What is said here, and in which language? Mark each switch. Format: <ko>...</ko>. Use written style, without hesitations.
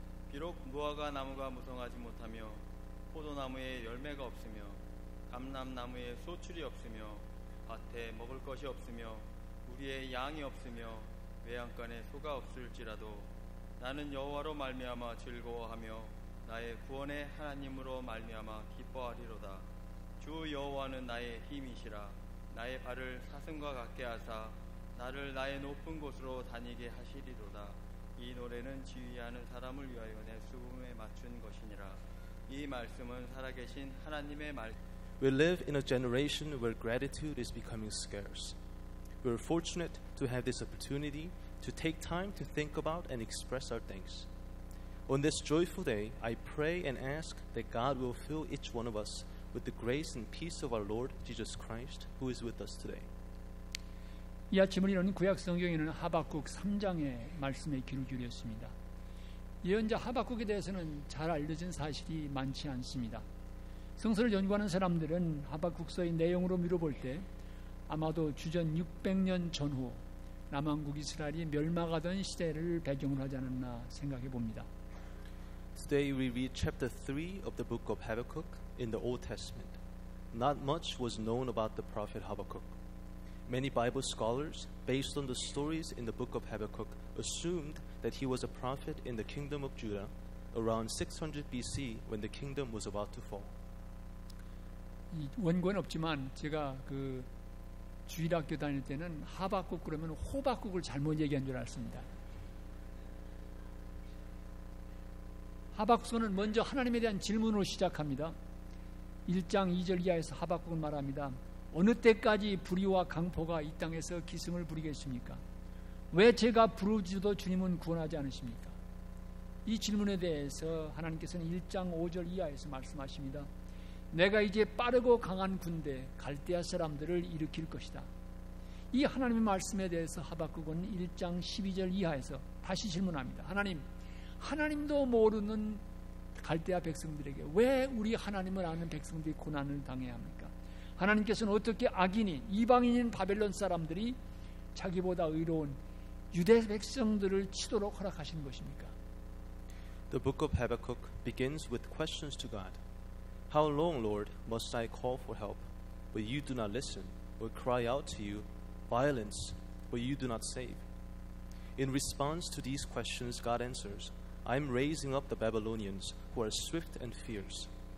<ko>비록 무화과 나무가 무성하지 못하며 포도나무에 열매가 없으며 감람나무에 소출이 없으며 밭에 먹을 것이 없으며 우리의 양이 없으며 외양간에 소가 없을지라도 나는 여호와로 말미암아 즐거워하며 나의 구원의 하나님으로 말미암아 기뻐하리로다. 주 여호와는 나의 힘이시라. 나의 발을 사슴과 같게 하사 나를 나의 높은 곳으로 다니게 하시리로다. 이 노래는 지휘하는 사람을 위하여 내 수금에 맞춘 것이니라. 이 말씀은 살아계신 하나님의</ko> <en>We live in a generation where gratitude is becoming scarce. We are fortunate to have this opportunity to take time to think about and express our thanks. On this joyful day, I pray and ask that God will fill each one of us with the grace and peace of our Lord Jesus Christ, who is with us today.</en> <ko>이 아침을 이루는 구약 성경에는 하박국 3장의 말씀의 귀를 기울였습니다. 예언자 하박국에 대해서는 잘 알려진 사실이 많지 않습니다. 성서를 연구하는 사람들은 하박국서의 내용으로 미뤄볼 때 아마도 주전 600년 전후 남왕국 이스라엘이 멸망하던 시대를 배경으로 하지 않았나 생각해 봅니다.</ko> <en>Today we read chapter 3 of the book of Habakkuk in the Old Testament. Not much was known about the prophet Habakkuk. Many Bible scholars, based on the stories in the book of Habakkuk, assumed that he was a prophet in the kingdom of Judah around 600 BC when the kingdom was about to fall.</en> <ko>이 원고는 없지만 제가 그 주일학교 다닐 때는 하박국 그러면 호박국을 잘못 얘기한 줄 알았습니다. 하박국서는 먼저 하나님에 대한 질문으로 시작합니다. 1장 2절 이하에서 하박국은 말합니다. 어느 때까지 불의와 강포가 이 땅에서 기승을 부리겠습니까? 왜 제가 부르짖어도 주님은 구원하지 않으십니까? 이 질문에 대해서 하나님께서는 1장 5절 이하에서 말씀하십니다. 내가 이제 빠르고 강한 군대 갈대아 사람들을 일으킬 것이다. 이 하나님의 말씀에 대해서 하박국은 1장 12절 이하에서 다시 질문합니다. 하나님, 하나님도 모르는 갈대아 백성들에게 왜 우리 하나님을 아는 백성들이 고난을 당해야 합니까? 하나님께서는 어떻게 악인이 이방인인 바벨론 사람들이 자기보다 의로운 유대 백성들을 치도록 허락하신 것입니까?</ko> <en>The book of Habakkuk begins with questions to God. How long, Lord, must I call for help, but you do not listen, or cry out to you, violence, but you do not save? In response to these questions, God answers, I am raising up the Babylonians, who are swift and fierce.</en>